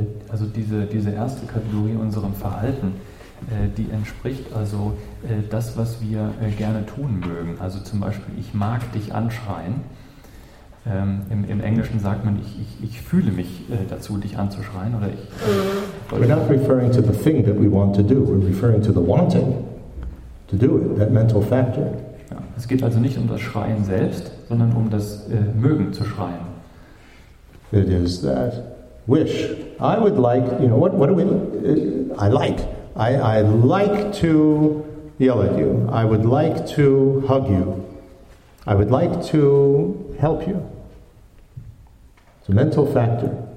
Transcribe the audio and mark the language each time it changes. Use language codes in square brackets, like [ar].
[de] Also diese erste Kategorie unserem Verhalten, die entspricht also das, was wir gerne tun mögen. Also zum Beispiel, ich mag dich anschreien. Im Englischen sagt man, ich fühle mich dazu, dich anzuschreien. Oder ich, [en] we're not referring to the thing that we want to do. We're referring to the wanting to do it, that mental factor. [de] Ja, es geht also nicht um das Schreien selbst, sondern um das Mögen zu schreien. [en] It is that wish. I would like, what do we, I like to yell at you. I would like to hug you. I would like to help you. It's a mental factor.